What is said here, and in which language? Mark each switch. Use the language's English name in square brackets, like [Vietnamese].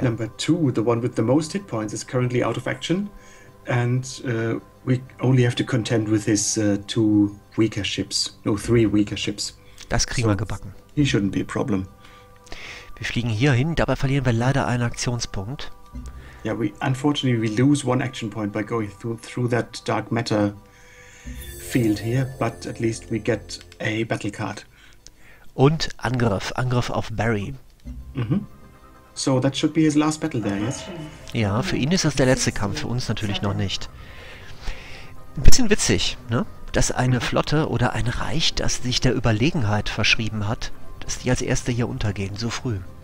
[English] number two, the one with the most hit points, is currently out of action. And we only have to contend with his two weaker ships. No, three weaker ships. [German] Das kriegen wir So gebacken. [English] he shouldn't be a problem. [German] Wir fliegen hier hin, dabei verlieren wir leider einen Aktionspunkt. [English] Yeah, unfortunately we lose one action point by going through that dark matter field here, but at least we get a battle card. [German] Und Angriff, Angriff auf Barry. [English] So that should be his last battle there, yes? [German] Ja, für ihn ist das der letzte Kampf, für uns natürlich noch nicht. Ein bisschen witzig, ne? Dass eine Flotte oder ein Reich, das sich der Überlegenheit verschrieben hat, dass die als erste hier untergehen, so früh.